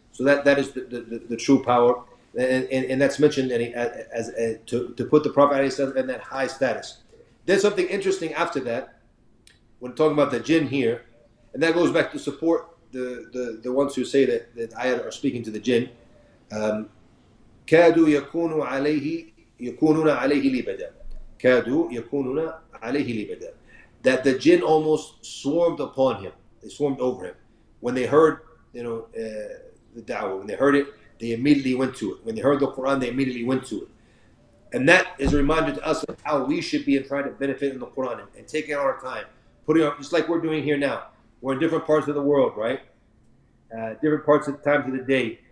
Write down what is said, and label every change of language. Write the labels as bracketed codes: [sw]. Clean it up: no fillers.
[en] So that is the true power. And that's mentioned to put the Prophet in that high status. There's something interesting after that, when talking about the jinn here, and that goes back to support the ones who say that ayat are speaking to the jinn. [ar] كَادُوا يَكُونُونَ عَلَيْهِ لِبَدًا كَادُوا يَكُونُونَ عَلَيْهِ لِبَدًا That the jinn almost swarmed upon him. [en] They swarmed over him. When they heard, the da'wah, when they heard it, they immediately went to it. When they heard the Qur'an, they immediately went to it. And that is a reminder to us of how we should be in trying to benefit in the Qur'an and taking our time, putting our, just like we're doing here now. We're in different parts of the world, right? Different parts of the time of the day.